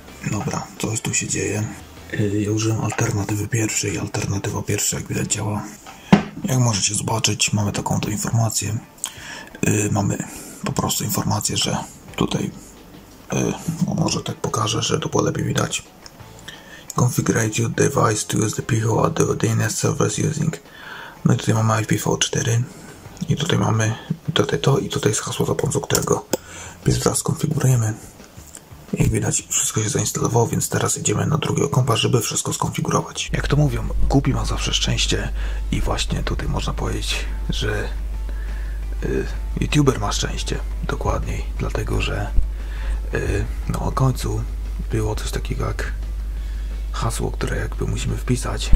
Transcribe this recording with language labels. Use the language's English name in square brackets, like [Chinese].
[Polish] Dobra, coś tu się dzieje. Ja użyłem alternatywy pierwszej. Alternatywa pierwsza, jak widać, działa. Jak możecie zobaczyć, mamy taką to informację. Mamy po prostu informację, że tutaj może tak pokażę, że to było lepiej widać. [English] Configure your device to use the Pichola DNS service using. [Polish] No i tutaj mamy IPv4 i tutaj mamy tutaj to i tutaj jest hasło, za pomocą którego pisma skonfigurujemy. Jak widać, wszystko się zainstalowało, więc teraz idziemy na drugiego kompa, żeby wszystko skonfigurować. Jak to mówią, głupi ma zawsze szczęście i właśnie tutaj można powiedzieć, że YouTuber ma szczęście, dokładniej, dlatego że no na końcu było coś takiego jak hasło, które jakby musimy wpisać.